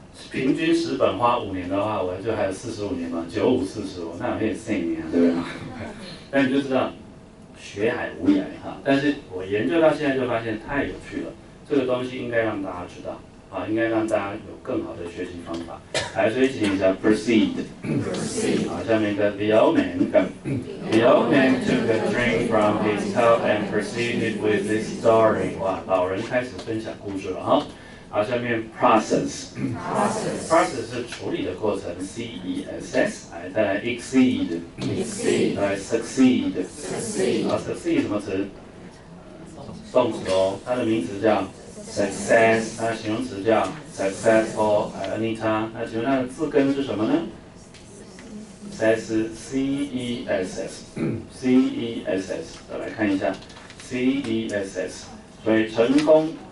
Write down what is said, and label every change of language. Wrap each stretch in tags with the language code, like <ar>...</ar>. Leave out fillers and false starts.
<zh>平均十本花五年的话，我就还有四十五年嘛，九五四十五，那有点剩一年，对吧？但你就知道，学海无涯哈。但是我研究到现在就发现太有趣了，这个东西应该让大家知道啊，应该让大家有更好的学习方法。来，所以请一下 proceed。</zh> <en>proceed。</en> <zh>好，下面一个</zh> <en>the old man。 the old man took a drink from his cup and proceeded with this story。</en> <zh>哇，老人开始分享故事了哈。好，下面 process 是处理的过程 ，C-E-S-S， 来再来 exceed， 来 succeed 什么词？动词哦，它的名词叫 success， 它的形容词叫 successful， 来 Anita， 那请问它的字根是什么呢 ？S C E S S C E S S， 来看一下 C E S S， 所以成功。</zh>